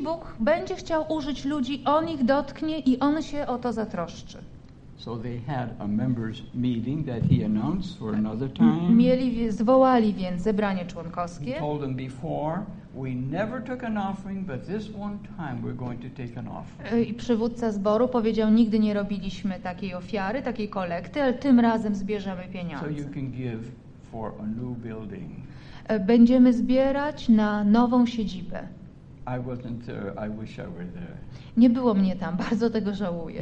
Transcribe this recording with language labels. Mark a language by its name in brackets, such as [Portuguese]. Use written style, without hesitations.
[Polish] Bóg będzie chciał użyć ludzi, on ich dotknie i on się o to zatroszczy. [English] So they had a members meeting that he announced for another time. [Polish] Zwołali więc zebranie członkowskie. [English] He told them before, we never took an offering, but this one time we're going to take an offering. [Polish] I przywódca zboru powiedział, nigdy nie robiliśmy takiej ofiary, takiej kolekty, ale tym razem zbierzemy pieniądze. [English] So you can give. For a new building. [Polish] Będziemy zbierać na nową siedzibę. [English] I wasn't there. I wish I were there. [Polish] Nie było mnie tam, bardzo tego żałuję.